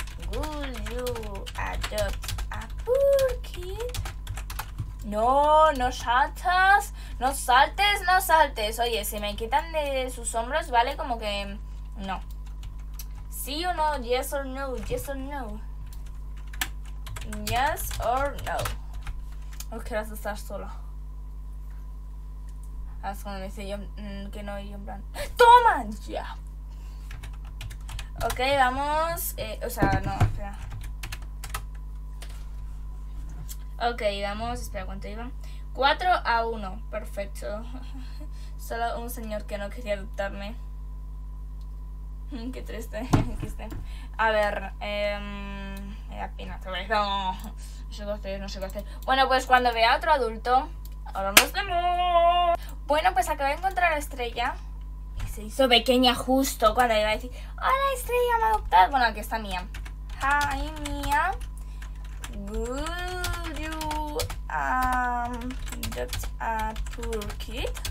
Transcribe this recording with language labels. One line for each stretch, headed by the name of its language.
English: Will you adopt a poor kid?
Spanish: No, no saltas. No saltes, no saltes. Oye, si me quitan de sus hombros, ¿vale? Como que no. Sí o no,
English: yes or no, yes or no. Yes or no.
Spanish: No quieras estar solo. Haz cuando me dice yo que no, y en plan. ¡Toma! Ya. Yeah. Ok, vamos. O sea, no, espera. Ok, vamos. Espera, ¿cuánto iba? 4-1. Perfecto. Solo un señor que no quería adoptarme. Qué triste, qué triste. A ver, me da pena otra vez. No, no sé qué hacer, no sé qué hacer. Bueno, pues cuando vea a otro adulto, ahora nos vemos. Bueno, pues acabo de encontrar a Estrella. Y se hizo pequeña justo cuando iba a decir: Hola, Estrella, me ha adoptado. Bueno, aquí está Mía. Hi, Mía.
English: Would you adopt a poor kid?